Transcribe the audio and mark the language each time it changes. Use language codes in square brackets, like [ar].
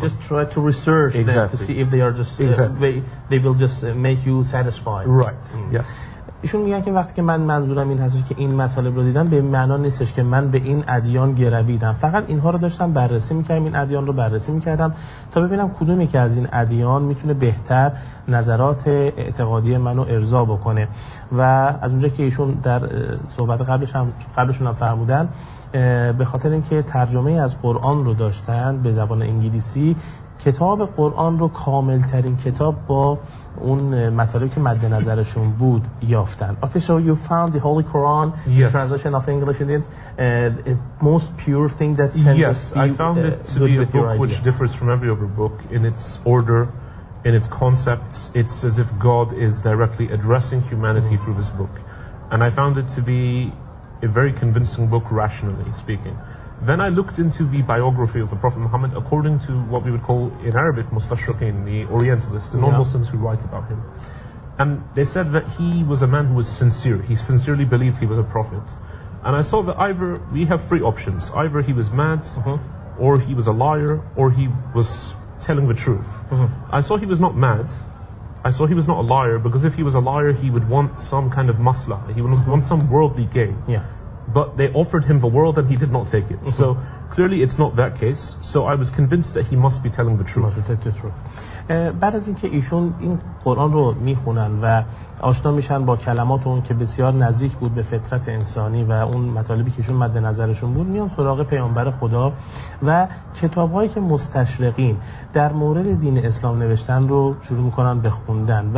[en] You only just tried to research them to see if they are just they will just make you satisfied. Right. Mm. Yes. [fa] ایشون میگن که وقتی که من منظورم این هستش که این مطالب رو دیدم، به معنا نیستش که من به این ادیان گرویدم، فقط اینها رو داشتم بررسی میکردم، این ادیان رو بررسی میکردم تا ببینم کدوم یکی از این ادیان میتونه بهتر نظرات اعتقادی منو ارضا بکنه. و از اونجا که ایشون در صحبت قبلشون هم فرمودن، به خاطر اینکه ترجمه از قرآن رو داشتن به زبان انگلیسی، کتاب قرآن رو کاملترین کتاب با اون مطالبی که مد نظرشون بود یافتن. [en] Okay, so you found the Holy Quran, yes. The translation of English in it, the most pure thing that can yes, be Yes, I found it to be a book which differs from every other book in its order, in its concepts. It's as if God is directly addressing humanity through this book. And I found it to be a very convincing book, rationally speaking. Then I looked into the biography of the Prophet Muhammad according to what we would call in Arabic Mustashraqin, the Orientalists, the non-Muslims who write about him. And they said that he was a man who was sincere. He sincerely believed he was a prophet. And I saw that either we have three options. Either he was mad, or he was a liar, or he was telling the truth. I saw he was not mad. I saw he was not a liar, because if he was a liar, he would want some kind of masla. He would want some worldly gain. Yeah. But they offered him the world and he did not take it. So clearly it's not that case. So I was convinced that he must be telling the truth. [fa] بعد از اینکه ایشون این قرآن رو میخونن و آشنا میشن با کلمات اون که بسیار نزدیک بود به فطرت انسانی و اون مطالبی که ایشون مد نظرشون بود، میان سراغ پیامبر خدا و کتابهایی که مستشرقین در مورد دین اسلام نوشتن رو شروع میکنن به خوندن.